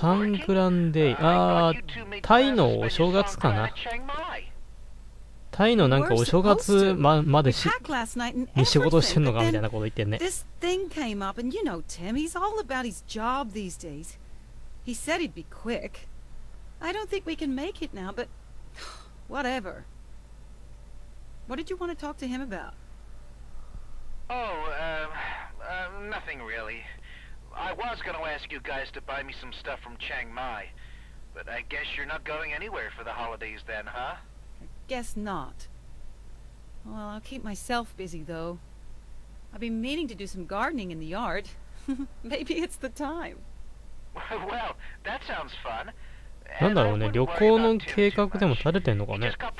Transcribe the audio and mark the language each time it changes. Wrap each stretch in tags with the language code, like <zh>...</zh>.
<ja>サングランデイ、ああ、タイのお正月かな。タイのなんかお正月ままでし、に仕事してんのかみたいなこと言ってんね。</ja> <en>This thing came up and you know Tim, he's all about his job these days. He said he'd be quick. I don't think we can make it now, but whatever. What did you want to talk to him about? Oh, nothing really. I was going to ask you guys to buy me some stuff from Chiang Mai, but I guess you're not going anywhere for the holidays then, huh? I guess not. Well, I'll keep myself busy, though. I've been meaning to do some gardening in the yard. Maybe it's the time. Well, that sounds fun.</en> <ja>なんだろうね、旅行の計画でも立ててんのかね。</ja>